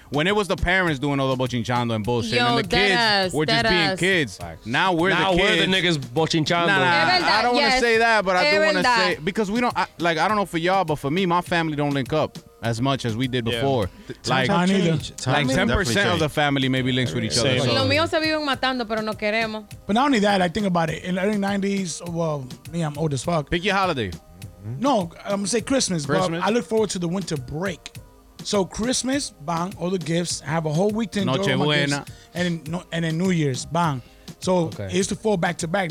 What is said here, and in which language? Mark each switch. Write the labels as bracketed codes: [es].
[en] When it was the parents doing all the bochinchando and bullshit, and the kids were just being kids. Now we're the niggas bochinchando. I don't want to say that, but I do want to say, because we don't, I don't know for y'all, but for me, my family don't link up as much as we did before. Like 10% of the family maybe links with each other. [es] Los míos se viven matando, pero no queremos. [en] But not only that, I think about it. In the early 90s, well, me, I'm old as fuck. Pick your holiday. No, I'm going to say Christmas. But I look forward to the winter break. So Christmas, bang, all the gifts. I have a whole week to enjoy [es] Noche [en] all my [es] buena. [en] Gifts. And then New Year's, bang. So it used to fall back to back.